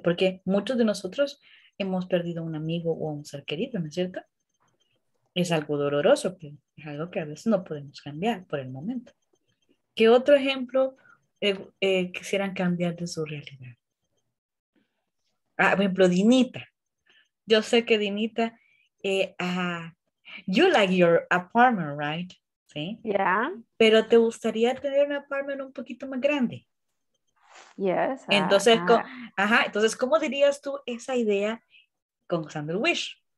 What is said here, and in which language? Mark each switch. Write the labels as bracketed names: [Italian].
[Spanish] Porque muchos de nosotros hemos perdido a un amigo o a un ser querido, ¿no es cierto? Es algo doloroso, que es algo que a veces no podemos cambiar por el momento. ¿Qué otro ejemplo quisieran cambiar de su realidad? Ah, por ejemplo, Dinita. Yo sé que [English] Dinita, you like your apartment, right? [Spanish] Sí. [English] Yeah. [Spanish] Pero te gustaría tener un apartment un poquito más grande. [English] Yes. [Spanish] Entonces, entonces, ¿cómo dirías tú esa idea con Sandra Wish?